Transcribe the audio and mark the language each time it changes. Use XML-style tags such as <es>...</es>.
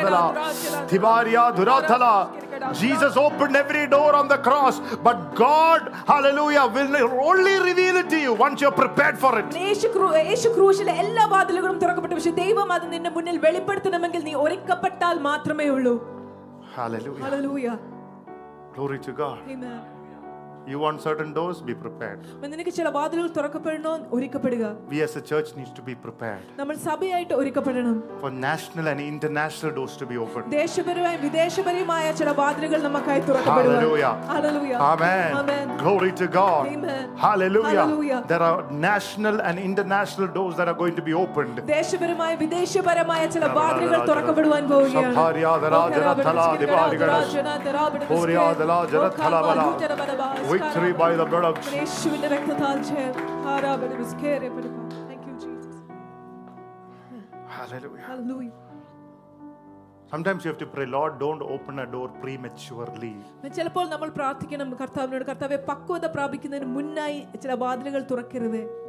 <en>Jesus opened every door on the cross, but God, hallelujah, will only reveal it to you once you're prepared for it.</en> <ml>യേശു ക്രൂശിലെ എല്ലാ വാതിലുകളും തുറക്കപ്പെട്ടു, പക്ഷേ ദൈവം അത് നിന്റെ മുന്നിൽ വെളിപ്പെടുത്തണമെങ്കിൽ നീ ഒരുക്കപ്പെട്ടാൽ മാത്രമേ ഉള്ളൂ.</ml> <en>Hallelujah. Glory to God. Amen. You want certain doors, be prepared.</en> <ml>നിനക്ക് ചില വാതിലുകൾ തുറക്കപ്പെടണോ ഒരുക്കപ്പെടുക.</ml> <en>We as a church needs to be prepared.</en> <ml>നമ്മൾ സഭയായിട്ട് ഒരുക്കപ്പെടണം.</ml> <en>For national and international doors to be opened.</en> <ml>ദേശപരമായ വിദേശപരമായ ചില വാതിലുകൾ നമുക്കായി തുറക്കപ്പെടണം. Hallelujah.</ml> <en>Hallelujah. Amen. Amen. Glory to God. Amen. Hallelujah. Hallelujah. There are national and international doors that are going to be opened.</en> <ml>ദേശപരമായ വിദേശപരമായ ചില വാതിലുകൾ തുറക്കപ്പെടുവാൻ പോവുകയാണ്. സഭാരിയ ദരാജന തലാദി വാതിലുകൾ. ദേശപരമായ വിദേശപരമായ ചില വാതിലുകൾ തുറക്കപ്പെടുവാൻ പോവുകയാണ്.</ml> <en>Victory by the blood of Jesus. Thank you, Jesus. Hallelujah. Hallelujah. Sometimes you have to pray, Lord, don't open a door prematurely.</en> <ml>ചിലപ്പോൾ നമ്മൾ പ്രാർത്ഥിക്കണം കർത്താവിനോട് കർത്താവേ പക്വത പ്രാപിക്കുന്നതിന് മുന്നായി ചില വാതിലുകൾ തുറക്കരുത്.</ml>